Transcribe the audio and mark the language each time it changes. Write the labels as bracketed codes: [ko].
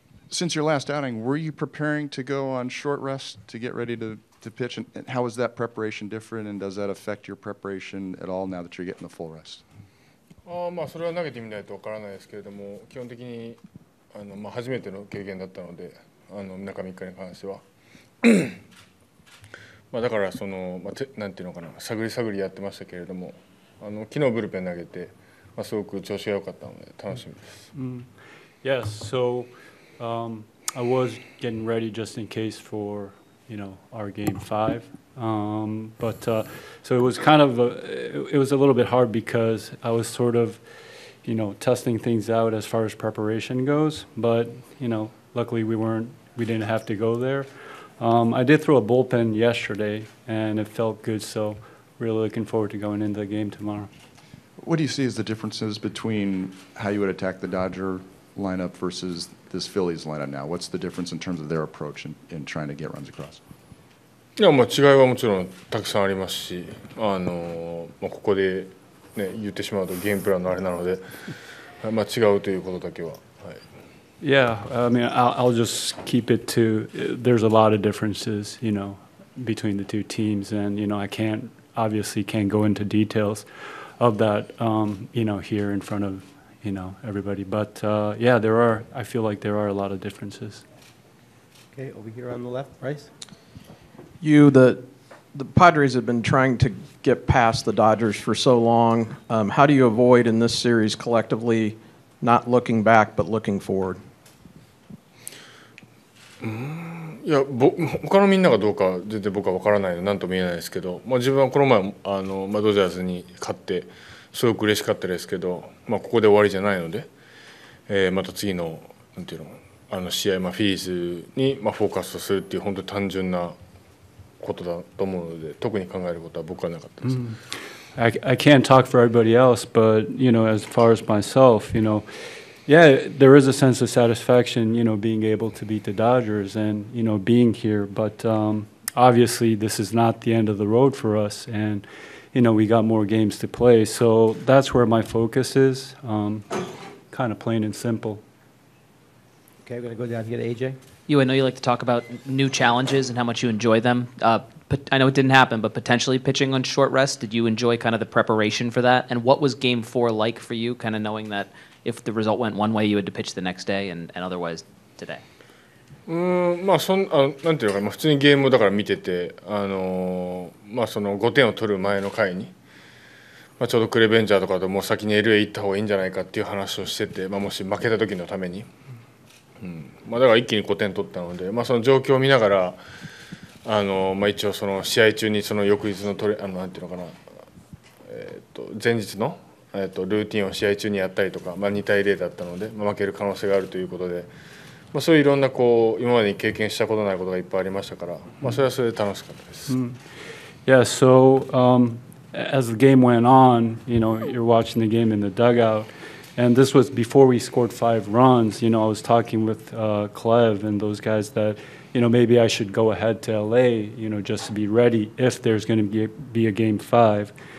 [en] Since your last outing, were you preparing to go on short rest to get ready to pitch? And how is that preparation different? And does that affect your preparation at all now that you're getting the full rest? [ja] それは投げてみないとわからないですけれども、基本的に初めての経験だったので、あの中3日に関してはまあだからその、まあ、なんていうのかな探り探りやってましたけれどもあの昨日ブルペン投げて、まあ、すごく調子が良かったので楽しみです、 mm-hmm. [en] Yes, so、I was getting ready just in case for you know our game 5、but、so it was kind of a, it was a little bit hard because I was sort of you know testing things out as far as preparation goes but you know luckily we didn't have to go there、I did throw a bullpen yesterday and it felt good soReally looking forward to going into the game tomorrow. What do you see as the differences between how you would attack the Dodger lineup versus this Phillies lineup now? What's the difference in terms of their approach in trying to get runs across? [ja] Yeah, まあ違いはもちろんたくさんありますし、あのまあここでね言ってしまうとゲームプランのあれなので、まあ違うということだけは。 [en] Yeah, I mean, I'll just keep it to. There's a lot of differences, you know, between the two teams, and you know, I can't. Obviously can't go into details of that, you know, here in front of, you know, everybody. But, yeah, there are, I feel like there are a lot of differences. Okay, over here on the left, Bryce. You, the Padres have been trying to get past the Dodgers for so long. How do you avoid in this series collectively not looking back but looking forward? Mm-hmm. [ja] いや他のみんながどうか全然僕は分からないので何とも言えないですけど、まあ、自分はこの前あの、まあ、ドジャースに勝ってすごく嬉しかったですけど、まあ、ここで終わりじゃないので、また次 の, なんていう の, あの試合、まあ、フィリーズに、まあ、フォーカスするっていう本当に単純なことだと思うので特に考えることは僕はなかったです、 mm-hmm. [en] I can't talk for everybody else but you know, as far as myself you knowYeah, there is a sense of satisfaction, you know, being able to beat the Dodgers and, you know, being here. But obviously, this is not the end of the road for us. And, you know, we got more games to play. So that's where my focus is, kind of plain and simple. Okay, I'm going to go down here to AJ. You, I know you like to talk about new challenges and how much you enjoy them. I know it didn't happen, but potentially pitching on short rest, did you enjoy kind of the preparation for that? And what was game four like for you, kind of knowing that... If the result went one way, you had to pitch the next day, and otherwise today. [ja] まあそんあなんていうか、まあ、普通にゲームだから見てて、まあその5点を取る前の回に、まあ、ちょうどクレベンジャーとかともう先に LA 行った方がいいんじゃないかっていう話をしてて、まあ、もし負けた時のために、うん、まあだから一気に5点取ったので、まあその状況を見ながら、まあ一応その試合中にその翌日のトレあのなんていうのかな、前日のルーティンを試合中にやったりとか、まあ、2対0だったので、まあ、負ける可能性があるということで、まあ、そういういろんなこう今までに経験したことないことがいっぱいありましたから、まあ、それはそれで楽しかったです。 Mm-hmm. [en] Yeah, so, as the game went on, you know, you're watching the game in the dugout, and this was before we scored 5 runs, you know, I was talking with, Clev and those guys that, you know, maybe I should go ahead to LA, you know, just to be ready if there's going to be a game 5.